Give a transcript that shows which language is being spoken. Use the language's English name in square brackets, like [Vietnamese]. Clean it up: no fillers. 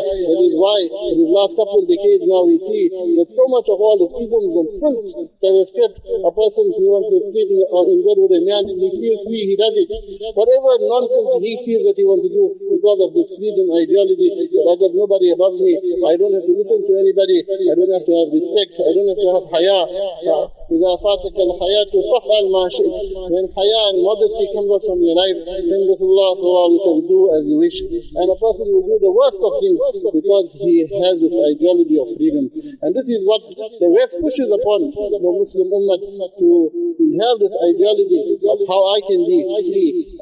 [English] That is why in the last couple of decades now we see that so much of all the isms and sins that has kept a person who wants to escape in bed with a man, he feels free, he does it. Whatever nonsense he feels that he wants to do because of this freedom ideology, that I got nobody above me, I don't have to listen to anybody, I don't have to have respect, I don't have to have haya. [Arabic] إذا فاتك الحياة فافعل ما شئت. [English] When haya and modesty comes out from your life, then Rasulullah sallallahu alayhi wa sallam, do as you wish. And a person will do the worst of things because he has this ideology of freedom. And this is what the West pushes upon the Muslim Ummah, to have this ideology of how I can be free.